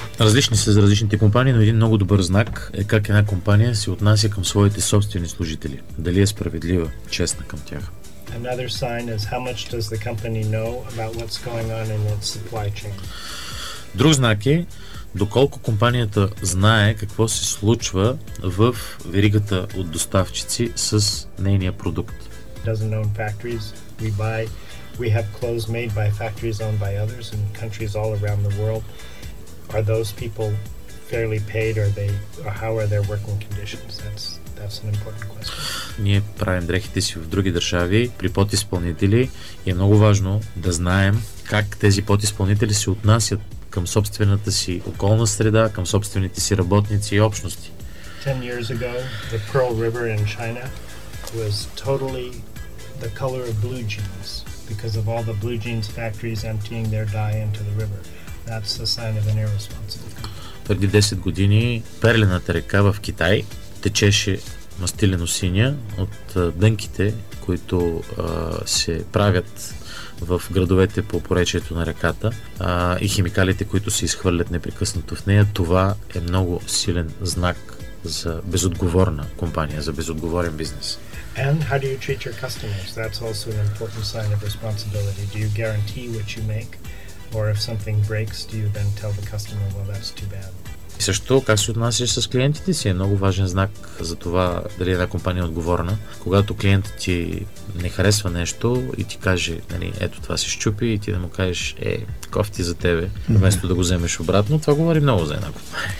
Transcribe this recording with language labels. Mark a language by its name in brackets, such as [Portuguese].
[Bulgarian] Различни са за различните компании, но един много добър знак е как една компания се отнася към своите собствени служители. Дали е справедлива, честна към тях. [English] Another sign is how much does the company know about what's going on in its supply chain. [Bulgarian] Друг знак е доколко компанията знае какво се случва в веригата от доставчици с нейния продукт. [English] Doesn't own factories. We have clothes made by factories owned by others in countries all around the world. Are those people fairly paid, or how are their working conditions? That's an important question. [Bulgarian] Ние правим дрехите си в други държави при подизпълнители и е много важно да знаем как тези подизпълнители се отнасят към собствената си околна среда, към собствените си работници и общности. [English] 10 years ago, the Pearl River in China was totally the color of blue jeans because of all the blue jeans factories emptying their dye into the river. That's a sign of an irresponsible company. [Bulgarian] преди 10 години Перлената река в Китай течеше мастилено синя от дънките, които се правят в градовете по поречието на реката и химикалите, които се изхвърлят непрекъснато в нея. Това е много силен знак за безотговорна компания, за безотговорен бизнес. [English] And how do you treat your customers? That's also an important sign of responsibility. Do you guarantee what you make? Or if something breaks, do you then tell the customer, well, that's too bad? [Bulgarian] И също, как се отнасяш с клиентите си, е много важен знак за това дали една компания е отговорна. Когато клиентът ти не харесва нещо и ти каже, нали, ето това се щупи, и ти да му кажеш, е, кофти за тебе, вместо да го вземеш обратно, това говори много за една компания.